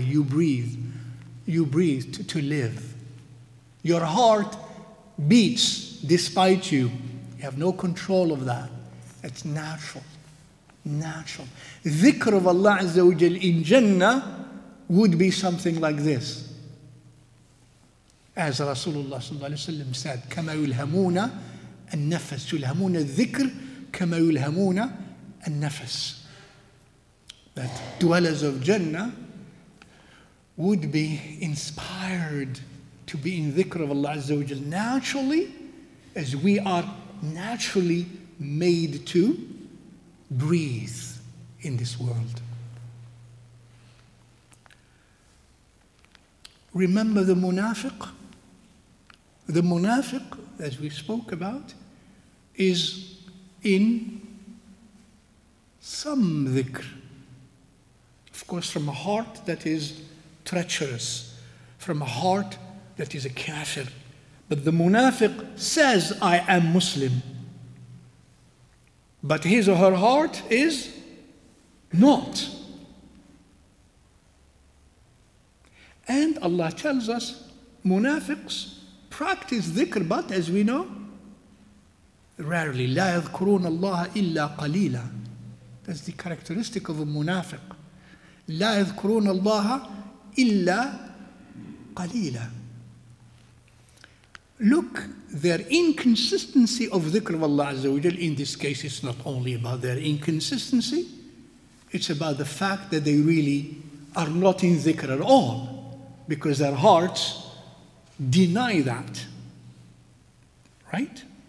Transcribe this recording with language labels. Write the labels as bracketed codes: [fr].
[en] You breathe to live. Your heart beats despite you. You have no control of that. It's natural. Natural. Dhikr of Allah Azza wa Jal in Jannah would be something like this. [ar] As Rasulullah sallallahu alayhi wa sallam said, كَمَا يُلْهَمُونَ النَّفَسُ يُلْهَمُونَ الذِّكْرُ كَمَا يُلْهَمُونَ النَّفَسُ. [en] That dwellers of Jannah would be inspired to be in dhikr of Allah Azza wa Jal naturally, as we are naturally made to breathe in this world. Remember the munafiq? The munafiq, as we spoke about, is in some dhikr. Of course, from a heart that is treacherous, from a heart that is a kafir. But the munafiq says, I am Muslim. But his or her heart is not. And Allah tells us, munafiqs practice dhikr, but as we know, rarely. [ar] لا يذكرون الله إلا قليلا. [en] That's the characteristic of a munafiq. [ar] لا يذكرون الله إلا قليلا. [en] Look, their inconsistency of dhikr of Allah Azza wa Jal, in this case, it's not only about their inconsistency, it's about the fact that they really are not in dhikr at all, because their hearts deny that. Right?